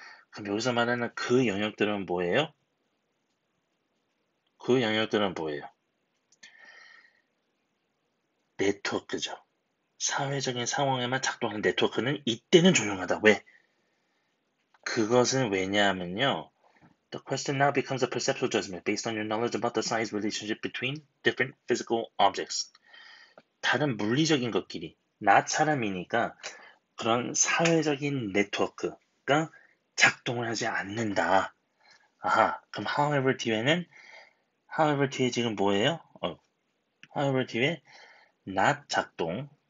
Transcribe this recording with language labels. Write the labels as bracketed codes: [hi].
[ko] 그럼 여기서 말하는 그 영역들은 뭐예요? 그 영역들은 뭐예요? 네트워크죠. 사회적인 상황에만 작동하는 네트워크는 이때는 조용하다. 왜? 그것은 왜냐하면요. [en] The question now becomes a perceptual judgment based on your knowledge about the size relationship between different physical objects. [ko] 다른 물리적인 것끼리, 나 사람이니까 그런 사회적인 네트워크가 작동을 하지 않는다. 아하, 그럼 however 뒤에 지금 뭐예요? However 뒤에 not 작동.